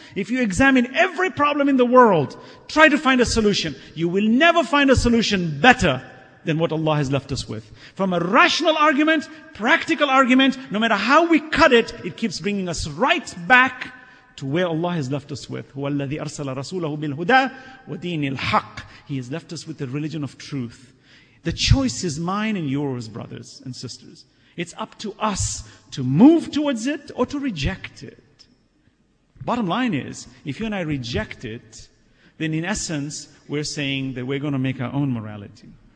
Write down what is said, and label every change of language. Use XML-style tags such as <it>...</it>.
<en>If you examine every problem in the world, try to find a solution. You will never find a solution better than what Allah has left us with. From a rational argument, practical argument, no matter how we cut it, it keeps bringing us right back to where Allah has left us with.</en> <ar>هو الذي أرسل رسوله بالهدى ودين الحق.</ar> <en>He has left us with the religion of truth. The choice is mine and yours, brothers and sisters. It's up to us to move towards it or to reject it. Bottom line is, if you and I reject it, then in essence, we're saying that we're going to make our own morality.</en>